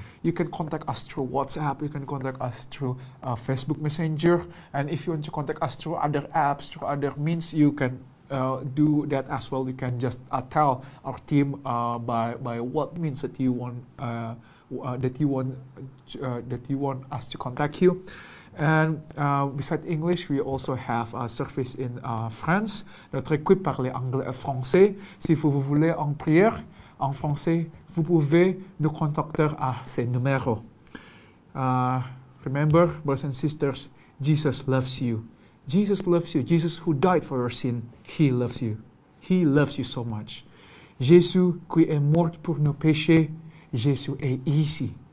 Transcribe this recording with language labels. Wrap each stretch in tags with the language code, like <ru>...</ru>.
<en>You can contact us through WhatsApp, you can contact us through Facebook Messenger, and if you want to contact us through other apps, through other means, you can do that as well. You can just tell our team by what means that you want us to contact you. And besides English, we also have a service in France.</en> <fr>Notre équipe parle anglais et français. Si vous voulez en prière en français, vous pouvez nous contacter à ce numéro.</fr> <en>Remember, brothers and sisters, Jesus loves you. Jesus loves you. Jesus who died for your sin, he loves you. He loves you so much.</en> <fr>Jésus qui est mort pour nos péchés, Jésus est ici.</fr>